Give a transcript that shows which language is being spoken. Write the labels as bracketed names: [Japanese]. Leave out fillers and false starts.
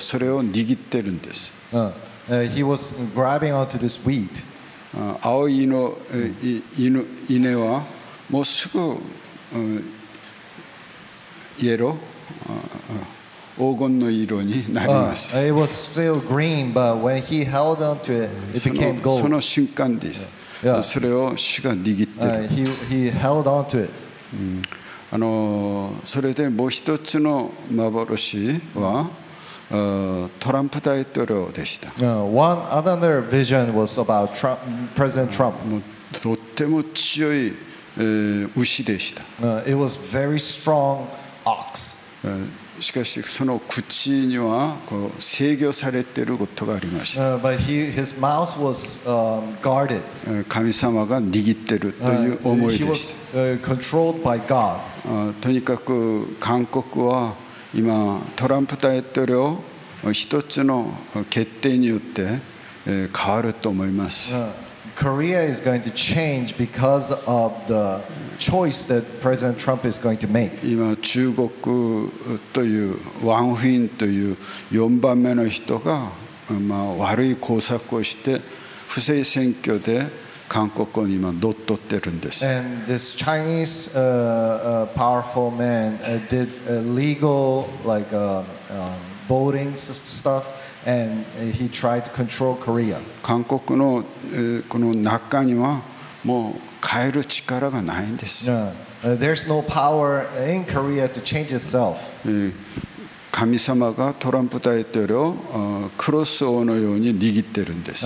[Japanese] それを握ってるんです。 [English] He was grabbing onto this wheat. [Japanese] 青い稲はもうすぐ。イエロー、黄金の色になります。 [English] It was still green, but when he held onto it, it became gold. [Japanese] その瞬間です。Yeah. それを主が握ってる。 [English] He held onto it. [Japanese] それでもう一つの幻はトランプ大統領でした。 [English] One other vision was about Trump, President Trump. [Japanese] とっても強い牛でした。 [English] It was very strong. Ox. [Japanese] しかしその口にはこう制御されていることがありました。 [English] But his mouth was guarded. [Japanese] 神様が握っているという思いでした。 [English] He was controlled by God. [Japanese] とにかく韓国は今トランプ大統領一つの決定によって変わると思います。 [English] Korea is going to change because of the choice that President Trump is going to make. [Japanese] 今中国というワン・フィンという4番目の人が、まあ、悪い工作をして不正選挙で韓国を今乗っ取ってるんです。 [English] And this Chinese powerful man did illegal like voting stuff and he tried to control Korea. [Japanese] 韓国のこの中にはもう変える力がないんです。 [English] There's no power in Korea to change itself. [Japanese] 神様がトランプ大統領をクロス王のように握ってるんです。